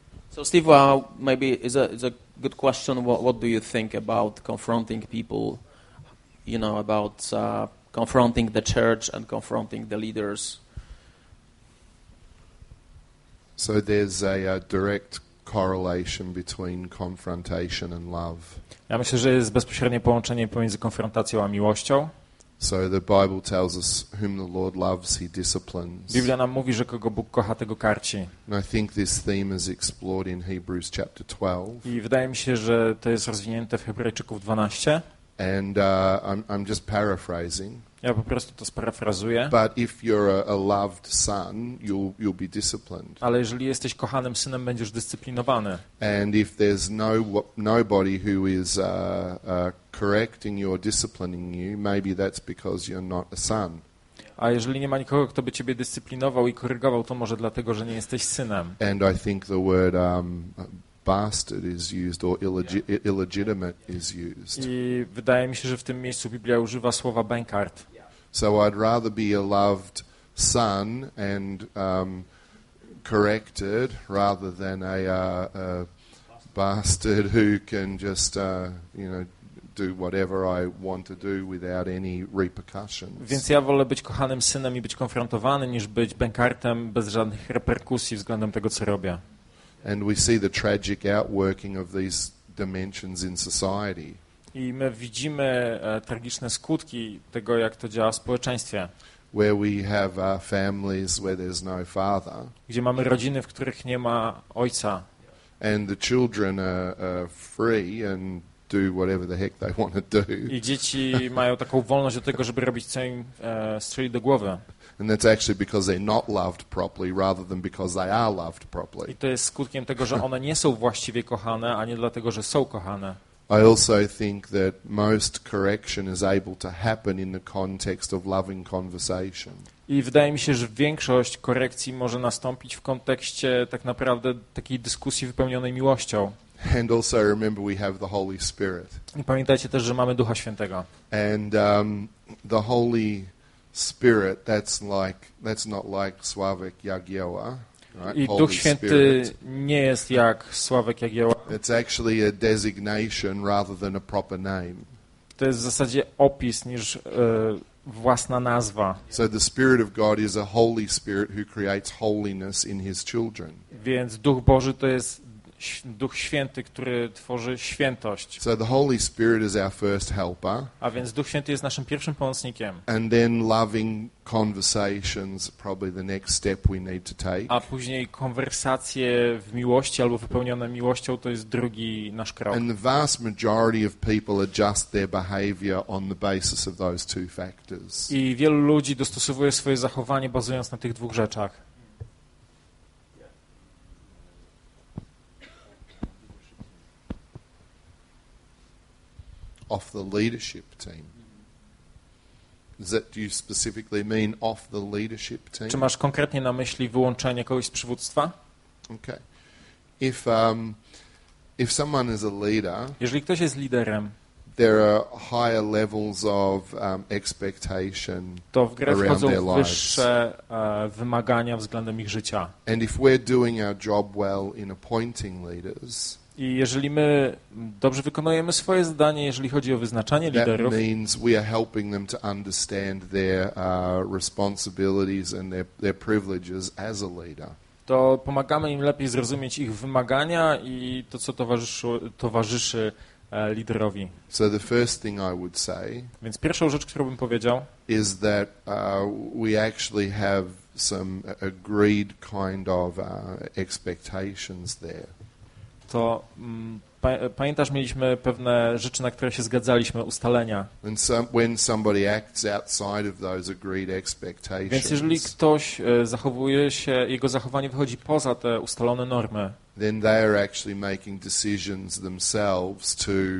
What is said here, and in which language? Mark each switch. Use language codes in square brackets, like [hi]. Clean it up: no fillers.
[en] So Steve, well, maybe it's a good question. What do you think about confronting people? You know, about confronting the church and confronting the leaders. So there's a direct correlation between confrontation and love. [pl] Ja myślę, że jest bezpośrednie połączenie pomiędzy konfrontacją a miłością. [en] So the Bible tells us whom the Lord loves, he disciplines. [pl] Biblia nam mówi, że kogo Bóg kocha, tego karci. [en] And I think this theme is explored in Hebrews chapter 12. [pl] I wydaje mi się, że to jest rozwinięte w Hebrajczyków 12. [en] And I'm just paraphrasing. [pl] Ja po prostu to sparafrazuję. [en] But if you're a loved son, you'll be disciplined. [pl] Ale jeżeli jesteś kochanym synem, będziesz dyscyplinowany. [en] And if there's nobody who is correcting you or disciplining you, maybe that's because you're not a son. [pl] A jeżeli nie ma nikogo, kto by ciebie dyscyplinował i korygował, to może dlatego, że nie jesteś synem. [en] And I think the word bastard is used or illegitimate is used. [pl] I wydaje mi się, że w tym miejscu Biblia używa słowa bankart. [en] So I'd rather be a loved son and corrected rather than a bastard who can just you know, do whatever I want to do without any repercussions. [pl] Więc ja wolę być kochanym synem i być konfrontowany, niż być bankartem bez żadnych reperkusji względem tego, co robię. [en] And we see the tragic outworking of these dimensions in society. [pl] I my widzimy tragiczne skutki tego, jak to działa w społeczeństwie. [en] Where we have families where there's no father. [pl] Gdzie mamy rodziny, w których nie ma ojca. [en] And the children are free and do whatever the heck they want to do. [pl] I dzieci mają taką wolność do tego, żeby robić co im strzeli do głowy. [en] And that's actually because they're not loved properly rather than because they are loved properly. [pl] I to jest skutkiem tego, że one nie są właściwie kochane, a nie dlatego, że są kochane. [en] I also think that most correction is able to happen in the context of loving conversation. [pl] I wydaje mi się, że większość korekcji może nastąpić w kontekście tak naprawdę takiej dyskusji wypełnionej miłością. [en] And also remember we have the Holy Spirit. [pl] I pamiętajcie też, że mamy Ducha Świętego. [en] And the Holy Spirit, that's not like Sławek Jagiełła, right? [pl] I Duch Święty nie jest jak Sławek Jagiełła. [en] It's actually a designation rather than a proper name. [pl] To jest w zasadzie opis niż własna nazwa. [en] So the Spirit of God is a Holy Spirit who creates holiness in His children. [pl] Więc Duch Boży to jest Duch Święty, który tworzy świętość. [en] So the Holy Spirit is our first helper. [pl] A więc Duch Święty jest naszym pierwszym pomocnikiem. [en] And then loving conversations probably the next step we need to take. [pl] A później konwersacje w miłości albo wypełnione miłością to jest drugi nasz krok. [en] And the vast majority of people adjust their behavior on the basis of those two factors. [pl] I wielu ludzi dostosowuje swoje zachowanie bazując na tych dwóch rzeczach. [en] Off the leadership team. Do you specifically mean off the leadership team? [pl] Czy masz konkretnie na myśli wyłączenie kogoś z przywództwa? [en] Okay. If someone is a leader, [pl] jeżeli ktoś jest liderem, [en] there are higher levels of expectation [pl] to w grę [en] around their lives. [pl] Wyższe wymagania względem ich życia. [en] And if we're doing our job well in appointing leaders. [pl] I jeżeli my dobrze wykonujemy swoje zadanie, jeżeli chodzi o wyznaczanie liderów, [en] that means we are helping them to understand their responsibilities and their privileges as a leader. [pl] To pomagamy im lepiej zrozumieć ich wymagania i to, co towarzyszy liderowi. [en] So the first thing I would say, [pl] więc pierwszą rzecz, którą bym powiedział, [en] is that we actually have some agreed kind of expectations there. [pl] To pamiętasz, mieliśmy pewne rzeczy, na które się zgadzaliśmy, ustalenia. [en] When somebody acts outside of those agreed expectations, [pl] więc jeżeli ktoś zachowuje się, jego zachowanie wychodzi poza te ustalone normy, [en] then they are actually making decisions themselves to